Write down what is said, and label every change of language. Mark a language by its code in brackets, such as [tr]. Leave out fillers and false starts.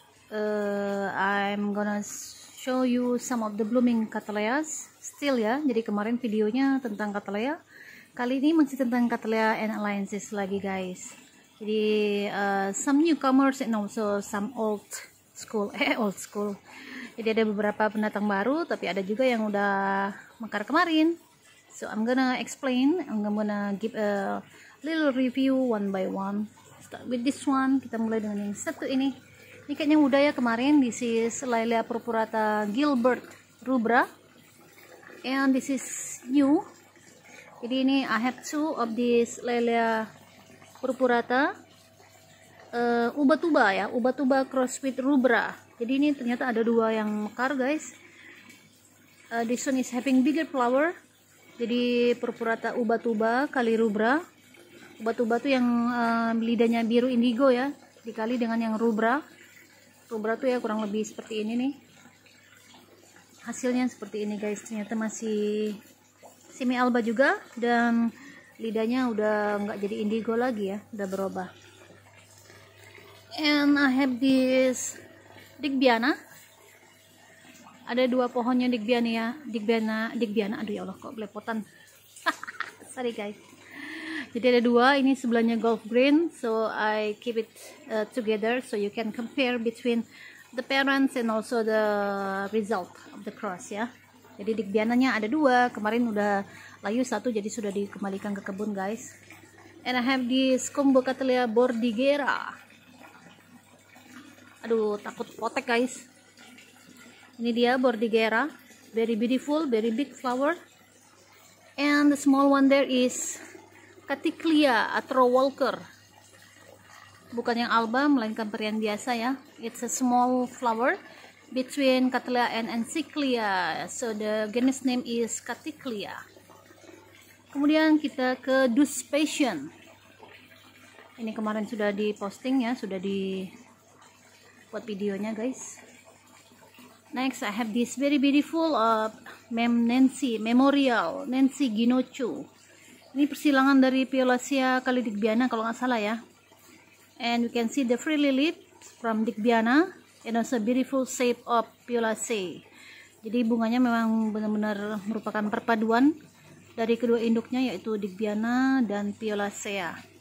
[en] I'm gonna show you some of the blooming cattleyas. [id] Still ya, jadi kemarin videonya tentang cattleya. Kali ini masih tentang cattleya and alliances lagi guys. [en] Jadi some newcomers and also some old school. Old school. [id] Jadi ada beberapa pendatang baru, tapi ada juga yang udah mekar kemarin. [en] So I'm gonna explain, I'm gonna give a little review one by one. Start with this one, [id] kita mulai dengan yang satu ini. Ini kayaknya udah ya kemarin, [en] this is [id] Lilia purpurata Gilbert rubra. [en] And this is new. [id] Jadi ini [en] I have two of this Lilia purpurata. Ubatuba ya, Ubatuba cross with rubra. [id] Jadi ini ternyata ada dua yang mekar guys. [en] This one is having bigger flower. [id] Jadi purpurata Ubatuba kali rubra. Ubatuba tuh yang lidahnya biru indigo ya, dikali dengan yang rubra. Rubra tuh ya kurang lebih seperti ini nih. Hasilnya seperti ini guys. Ternyata masih semi alba juga dan lidahnya udah nggak jadi indigo lagi ya, udah berubah. [en] And I have this Digbiana. [id] Ada dua pohonnya Digbiana ya. Digbiana. Aduh ya Allah kok belepotan. [en] Sorry guys. [id] Jadi ada dua, ini sebelahnya Gulf Green. [en] So I keep it together so you can compare between the parents and also the result of the cross ya. [id] Jadi Digbiananya ada dua. Kemarin udah layu satu jadi sudah dikembalikan ke kebun guys. [en] And I have this Combo Cattleya Bordighera. [id] Aduh takut potek guys. Ini dia Bordighera, [en] very beautiful, very big flower. And the small one there is Cattleya atro walker. [id] Bukan yang alba melainkan perian biasa ya. [en] It's a small flower between Cattleya and Encyclia. So the genus name is Cattleya. [id] Kemudian kita ke [en] Dus Passion. [id] Ini kemarin sudah di posting ya, sudah di buat videonya guys. [en] Next I have this very beautiful Memorial Nancy Ginocchio. [id] Ini persilangan dari Piolacea kali Digbiana kalau nggak salah ya. [en] And you can see the frilly leaves from Digbiana and also beautiful shape of Piolacea. [id] Jadi bunganya memang benar-benar merupakan perpaduan dari kedua induknya yaitu Digbiana dan Piolacea.